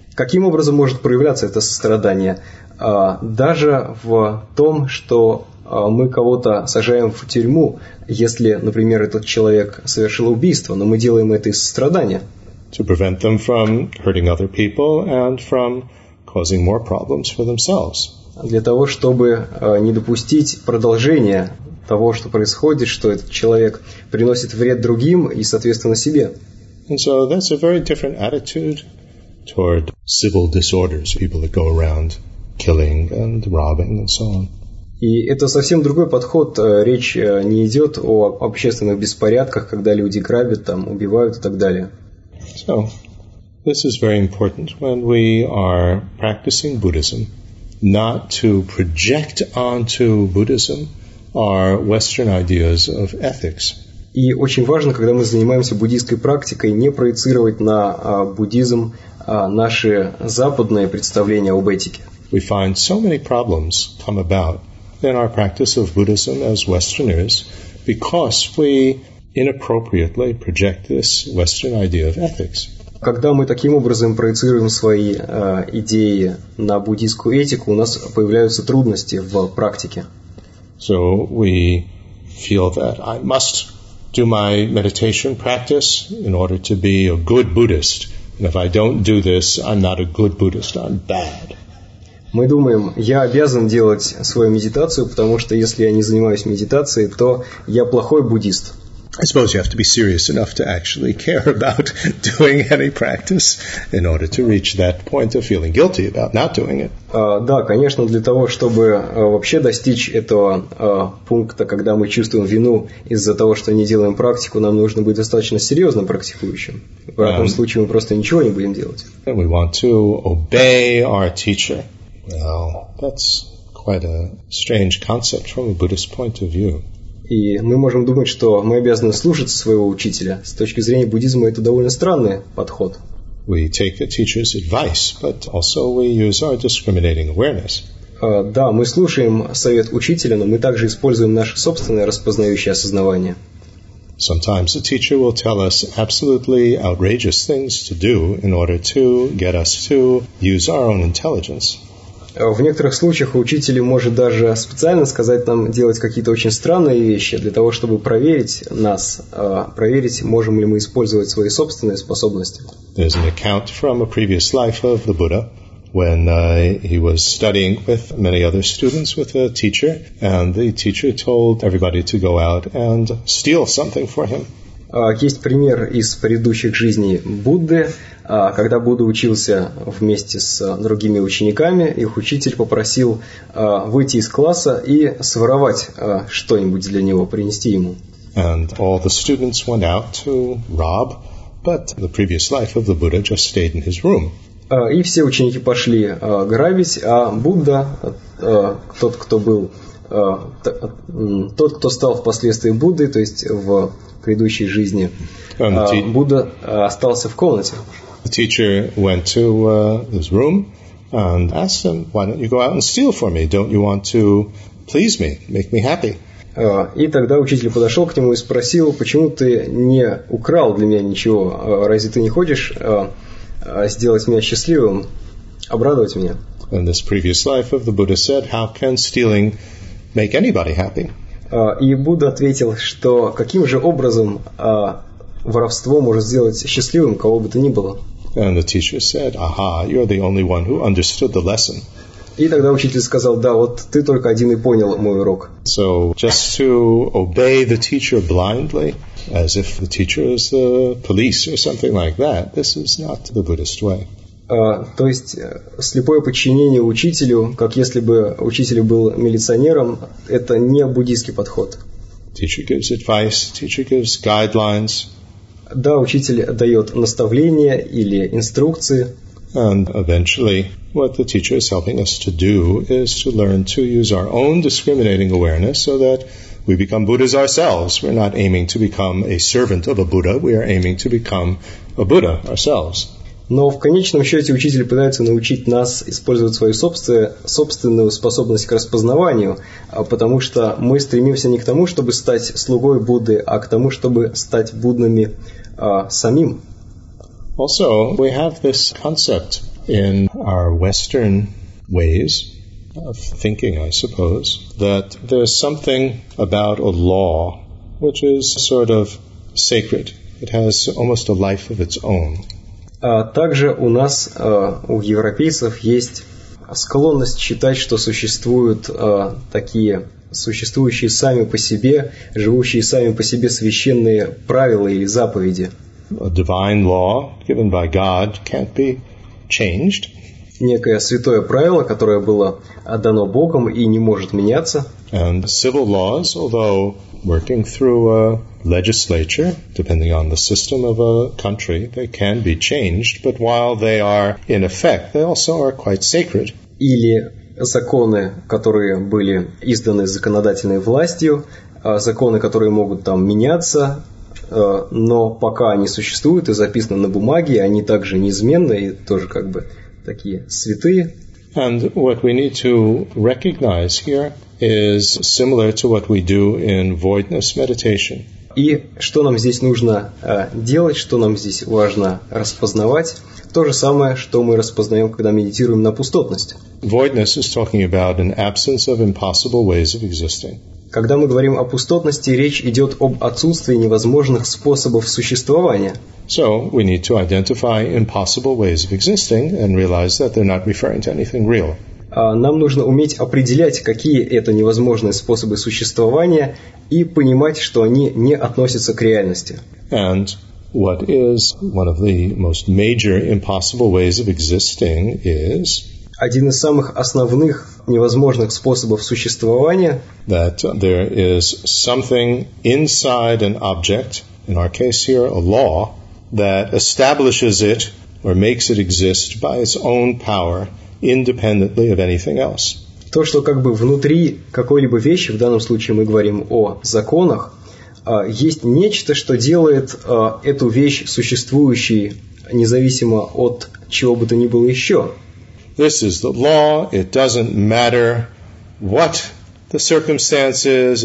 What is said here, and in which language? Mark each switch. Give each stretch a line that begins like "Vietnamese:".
Russian: Каким образом может проявляться это сострадание? Даже в том, что мы кого-то сажаем в тюрьму, если, например, этот человек совершил убийство, но мы делаем это из сострадания.
English: To prevent them from hurting other people and from causing more problems for themselves.
Russian: Для того, чтобы не допустить продолжения того, что происходит, что этот человек приносит вред другим и, соответственно, себе.
English: And so that's a very different attitude toward civil disorders, people that go around killing and robbing and so on.
Russian: И это совсем другой подход. Речь не идет о общественных беспорядках, когда люди грабят, там, убивают и так далее.
English: So, this is very important when we are practicing Buddhism, not to project onto Buddhism our Western ideas of ethics.
Russian: И очень важно, когда мы занимаемся буддийской практикой, не проецировать на буддизм наши западные представления об этике.
English: We find so many problems come about in our practice of Buddhism as Westerners because we inappropriately project this Western idea of ethics.
Russian: Когда мы таким образом проецируем свои идеи на буддийскую этику, у нас появляются трудности в практике.
English: So we feel that I must do my meditation practice in order to be a good Buddhist. And if I don't do this, I'm not a good Buddhist, I'm bad.
Russian: Мы думаем, я обязан делать свою медитацию, потому что если я не занимаюсь медитацией, то я плохой буддист.
English: I suppose you have to be serious enough to actually care about doing any practice in order to reach that point of feeling guilty about not doing it.
Russian: Да, конечно, для того, чтобы вообще достичь этого пункта, когда мы чувствуем вину из-за того, что не делаем практику, нам нужно быть достаточно серьезно практикующим. В этом случае мы просто ничего не будем делать.
English: We want to obey our teacher. Well, that's quite a strange concept from a Buddhist point of view.
Russian: И мы можем думать, что мы обязаны слушаться своего учителя. С точки зрения буддизма это довольно странный подход.
English: We take a teacher's advice, but also we use our discriminating awareness.
Russian: Да, мы слушаем совет учителя, но мы также используем наше собственное распознающее осознавание.
English: Sometimes a teacher will tell us absolutely outrageous things to do in order to get us to use our own intelligence.
Russian: В некоторых случаях учитель может даже специально сказать нам делать какие-то очень странные вещи для того, чтобы проверить нас, проверить, можем ли мы использовать свои собственные способности.
English: There's an account from a previous life of the Buddha when he was studying with many other students with a teacher, and the teacher told everybody to go out and steal something for him.
Russian: Есть пример из предыдущих жизней Будды. Когда Будда учился вместе с другими учениками, их учитель попросил выйти из класса и своровать что-нибудь для него, принести ему.
English: And all the students went out to rob, but the previous life of the Buddha just stayed in his room.
Russian: И все ученики пошли грабить, а Будда, тот, кто был, тот, кто стал впоследствии Буддой, то есть в предыдущей жизни, Будда остался в комнате.
English: The teacher went to his room and asked him, "Why don't you go out and steal for me? Don't you want to please me, make me happy?"
Russian: И тогда учитель подошел к нему и спросил, почему ты не украл для меня ничего? Разве ты не хочешь сделать меня счастливым, обрадовать меня?
English: In this previous life of the Buddha said, "How can stealing make anybody happy?"
Russian: И Будда ответил, что каким же образом воровство может сделать счастливым кого бы то ни было.
English: And the teacher said, "Aha, you're the only one who understood the lesson."
Russian: И тогда учитель сказал, да, вот ты только один и понял мой урок.
English: So just to obey the teacher blindly, as if the teacher is the police or something like that, this is not the Buddhist way.
Russian: То есть слепое подчинение учителю, как если бы учитель был милиционером, это не буддийский подход.
English: Teacher gives advice, teacher gives guidelines.
Russian: Да, учитель дает наставления или инструкции.
English: And eventually, what the teacher is helping us to do is to learn to use our own discriminating awareness so that we become Buddhas ourselves. We're not aiming to become a servant of a Buddha, we are aiming to become a Buddha ourselves.
Russian: Но в конечном счете учитель пытается научить нас использовать свою собственную способность к распознаванию, потому что мы стремимся не к тому, чтобы стать слугой Будды, а к тому, чтобы стать Буддами самим.
English: Also, we have this concept in our Western ways of thinking, I suppose, that there's something about a law which is sort of sacred. It has almost a life of its own.
Russian: Также у нас, у европейцев, есть склонность считать, что существуют такие существующие сами по себе, живущие сами по себе священные правила или заповеди.
English: A divine law given by God can't be changed.
Russian: Некое святое правило, которое было дано Богом и не может меняться.
English: And civil laws, although working through a legislature, depending on the system of a country, they can be changed, but while they are in effect, they also are quite sacred.
Russian: Или законы, которые были изданы законодательной властью, законы, которые могут там меняться, но пока они существуют и записаны на бумаге, они также неизменны и тоже как бы такие святые.
English: And what we need to recognize here is similar to what we do in voidness meditation.
Russian: И что нам здесь нужно делать, что нам здесь важно распознавать, то же самое, что мы распознаем, когда медитируем на пустотность.
English: Voidness is talking about an absence of impossible ways of existing.
Russian: Когда мы говорим о пустотности, речь идет об отсутствии невозможных способов существования.
English: So we need to identify impossible ways of existing and realize that they're not referring to anything real.
Russian: Нам нужно уметь определять, какие это невозможные способы существования, и понимать, что они не относятся к реальности.
English: And what is one of the most major impossible ways of existing is
Russian: один из самых основных невозможных способов существования
English: that there is something inside an object, in our case here, a law, that establishes it or makes it exist by its own power independently of anything else.
Russian: То, что как бы внутри какой-либо вещи, в данном случае мы говорим о законах, есть нечто, что делает эту вещь существующей независимо от чего бы то ни было еще.
English: This is the law. It doesn't matter what the circumstances.